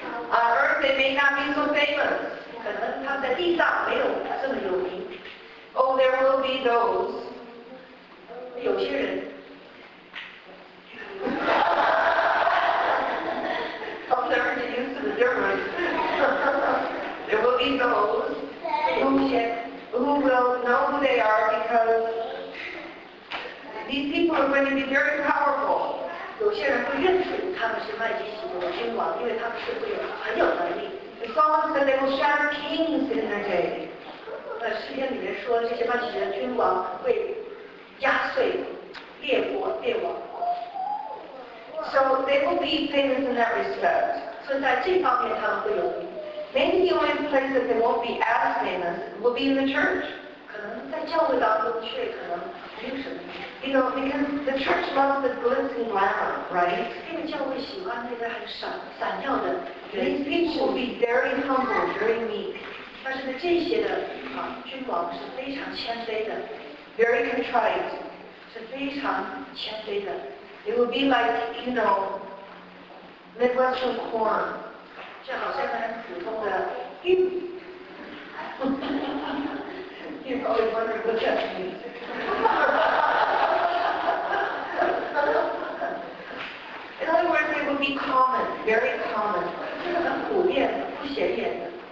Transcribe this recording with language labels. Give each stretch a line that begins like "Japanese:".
English: On earth they may not be so famous.
Chinese: 可能他们在地上没有这么有名。
English: Oh, there will be those.
Chinese: 有些人。
English: I'll never get used to the German. There will be those who will know who they are because these people are going to be very powerful.
Chinese: 有些人会认出他们是麦基洗德的君王，因为他们是会有很有能力。
English: The Psalms said they will shatter kings in their day.
Chinese: 那诗篇里面说这些麦基洗德的君王会压碎列国列王。
English: So they will be famous in that respect.
Chinese: 所以在这方面他们会有名。
English: Maybe the only place that they won't be as famous will be in the church.
Chinese: 可能在教会当中却可能没有什么名。
English: You know, because the church loves the glitz and glamour, right?
Chinese: 因为教会喜欢那个很闪耀的。
English: These people will be very humble, very meek.
Chinese: 但是呢，这些的啊君王是非常谦卑的。
English: Very contrite.
Chinese: 是非常谦卑的。
English: It would be like, you know, Midwestern corn.
Chinese: 就好像很普通的玉米。
English: You're probably wondering what that means. In other words, it would be common, very common.
Chinese: 就是很普遍的，不显眼的。